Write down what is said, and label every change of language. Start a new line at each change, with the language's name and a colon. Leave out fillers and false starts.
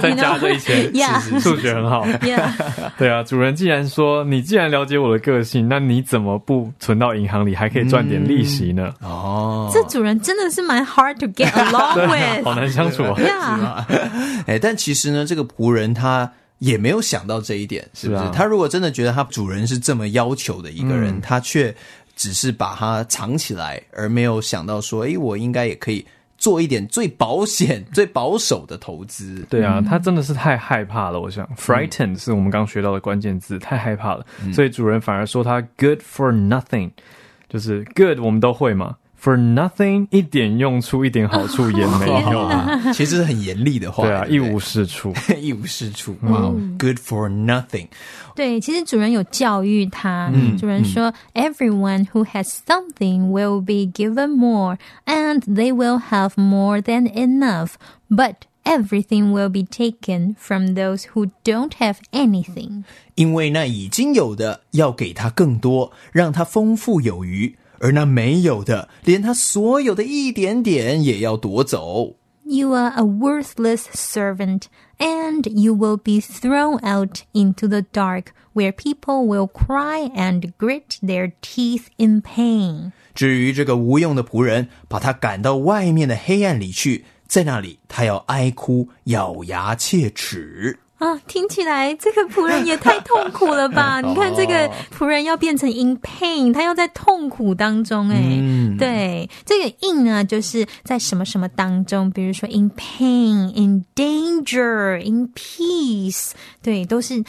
Chinese: 再加这一千数学很好、
English: yeah.
Chinese: 对啊主人既然说你既然了解我的个性那你怎么不存到银行里还可以赚点利息呢、这主人真的是蛮
English: hard to get along with
Chinese: 对、好难相处、
English: yeah.
Chinese: 但其实呢这个仆人他也没有想到这一点是不 是他如果真的觉得他主人是这么要求的一个人、他却只是把他藏起来而没有想到说、我应该也可以做一点最保险最保守的投资对啊他真的是太害怕了我想 frightened 是我们刚学到的关键字太害怕了所以主人反而说他
English: good for nothing
Chinese: 就是 good 我们都会嘛For nothing, 一点用处一点好处也没有啊。其实很严厉的话。对啊一无是处。一无是处。
English: Wow, good for nothing.
Chinese: 对其实主人有教育他。主人说
English: ,everyone who has something will be given more, and they will have more than enough, but everything will be taken from those who don't have anything.
Chinese: 因为那已经有的要给他更多让他丰富有余。而那没有的，连他所有的一点点也要夺走。
English: You are a worthless servant, and you will be thrown out into the dark, where people will cry and grit their teeth in pain.
Chinese: 至于这个无用的仆人，把他赶到外面的黑暗里去，在那里他要哀哭，咬牙切齿。啊，听起来这个仆人也太痛苦了吧！你看这个仆人要变成 in pain， 他要在痛苦当中哎、对，这个 in 呢，就是在什么什么当中，比如说 in pain、in danger、in peace， 对，都是